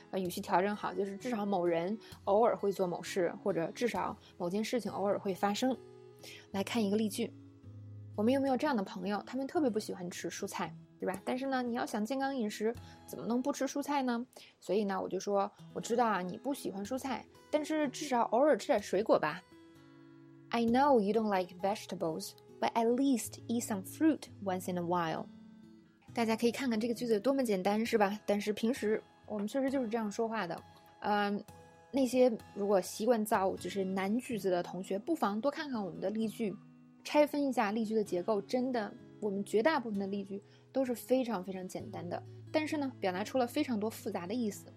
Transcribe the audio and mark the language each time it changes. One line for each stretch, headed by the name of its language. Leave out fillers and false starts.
Chinese: 语序调整好，就是至少某人偶尔会做某事，或者至少某件事情偶尔会发生。来看一个例句，我们有没有这样的朋友，他们特别不喜欢吃蔬菜，对吧？但是呢，你要想健康饮食，怎么能不吃蔬菜呢？所以呢，我就说，我知道啊，你不喜欢蔬菜，但是至少偶尔吃点水果吧。
English: I know you don't like vegetables, but at least eat some fruit once in a while.
Chinese: 大家可以看看这个句子多么简单，是吧？但是平时我们确实就是这样说话的。那些如果习惯造就是难句子的同学，不妨多看看我们的例句，拆分一下例句的结构，真的，我们绝大部分的例句都是非常非常简单的，但是呢表达出了非常多复杂的意思。